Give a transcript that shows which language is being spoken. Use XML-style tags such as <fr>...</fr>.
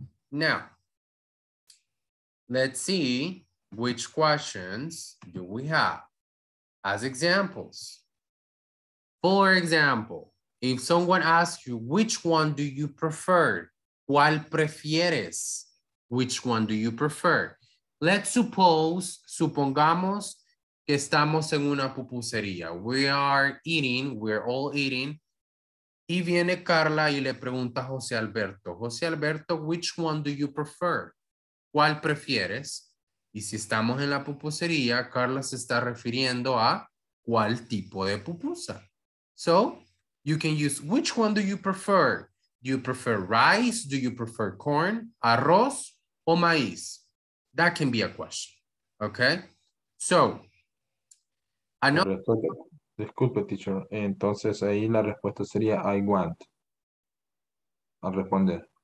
<en>Now, let's see which questions do we have as examples. For example, if someone asks you, which one do you prefer?</en> <es>¿Cuál prefieres?</es> <en>Which one do you prefer? Let's suppose,</en> <es>supongamos que estamos en una pupusería.</es> <en>We are eating, we're all eating.</en> <es>Y viene Carla y le pregunta a</es> <en>José Alberto, José Alberto, which one do you prefer?</en> <es>¿Cuál prefieres? Y si estamos en la pupusería, Carla se está refiriendo a ¿cuál tipo de pupusa?</es> <en>So, you can use, which one do you prefer? Do you prefer rice? Do you prefer corn?</en> <es>¿Arroz o maíz?</es> <en>That can be a question, okay? So, I know...</en> <es>Disculpe, teacher. Entonces, ahí la respuesta sería,</es> <en>I want.</en> <es>Al responder.</es>